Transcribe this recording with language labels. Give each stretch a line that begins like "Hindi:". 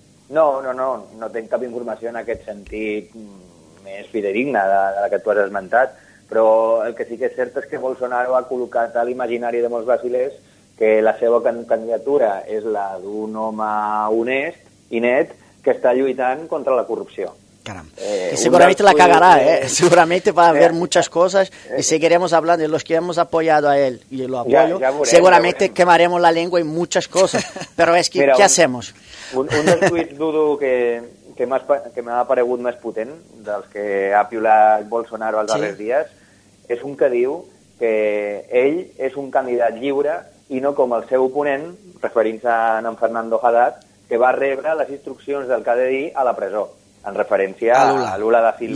Catalan: No tinc cap informació en aquest sentit més fidedigna de la que tu has esmentat, però el que sí que és cert és que Bolsonaro ha col·locat a l'imaginari de molts brasilers que la seva candidatura és la d'un home honest i net que està lluitant contra la corrupció. Caram, que segurament la cagarà, segurament va haver moltes coses i seguirem parlant de
Spanish: los que hemos apoyado a él y lo apoyo, seguramente quemaremos la lengua en muchas cosas, pero es que, ¿qué hacemos?
Catalan: Un dels tuits, Dudu, que m'ha aparegut més potent dels que ha piulat Bolsonaro els darrers dies, és un que diu que ell és un candidat lliure i no com el seu oponent, referint-se a en Fernando Haddad, que va rebre les instruccions del que ha de dir a la presó, en referència a Lula da Silva.